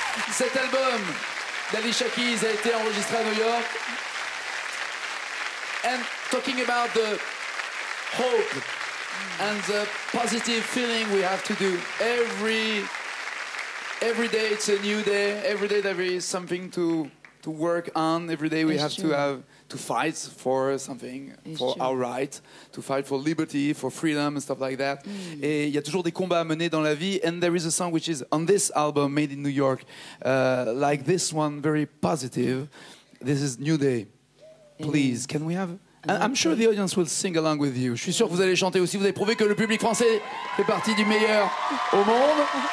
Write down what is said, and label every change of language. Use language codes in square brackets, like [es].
[fr] Cet album d'Alicia Keys a été enregistré à New York. [en] And talking about the hope and the positive feeling we have to do every day, it's a new day. Every day there is something to work on. Every day we have to have to fight for something, our right, to fight for liberty, for freedom, and stuff like that. Mm. [fr] Et il y a toujours des combats à mener dans la vie. [en] And there is a song which is on this album, Made in New York, like this one, very positive. This is New Day. Please, can we have... I'm sure the audience will sing along with you. [fr] Je suis sûr que vous allez chanter aussi. Vous avez prouvé que le public français fait partie du meilleur au monde.